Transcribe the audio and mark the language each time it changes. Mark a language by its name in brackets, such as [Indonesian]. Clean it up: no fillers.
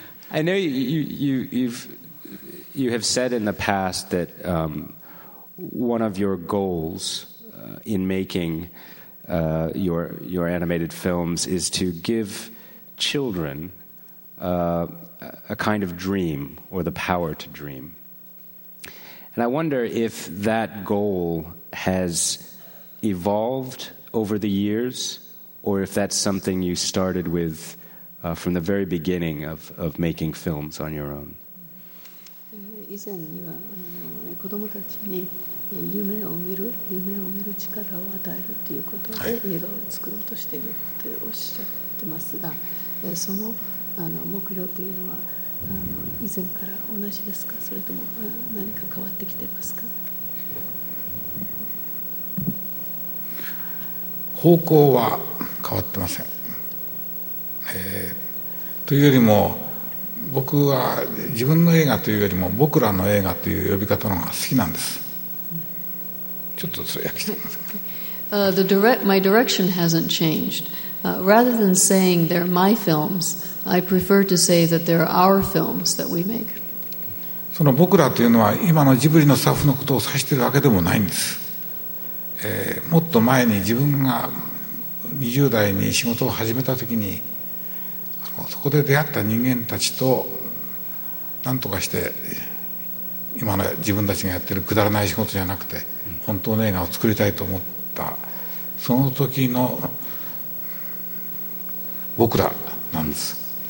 [English] I know you have said in the past that one of your goals in making your animated films is to give children a kind of dream or the power to dream. And I wonder if that goal has evolved over the years or if that's something you started with from the very beginning of making films on your own. [Japanese] 以前には子どもたちに夢を見る力を与えるということで映画を作ろうとしているっておっしゃってますが、その目標というのは以前から同じですか、それとも何か変わってきてますか。方向は変わってません。というよりも僕は自分の映画というよりも僕らの映画という呼び方の方が好きなんです。ちょっとそれ訳してみますか。 [English] My direction hasn't changed. Rather than saying they're my films, I prefer to say that they're our films that we make. [Japanese] その僕らというのは今のジブリのスタッフのことを指しているわけでもないんです。もっと前に自分が 20代に仕事を始めた時にそこで出会った人間たちと何とかして今の自分たちがやってるくだらない仕事じゃなくて本当の映画を作りたいと思ったその時の僕らなんです。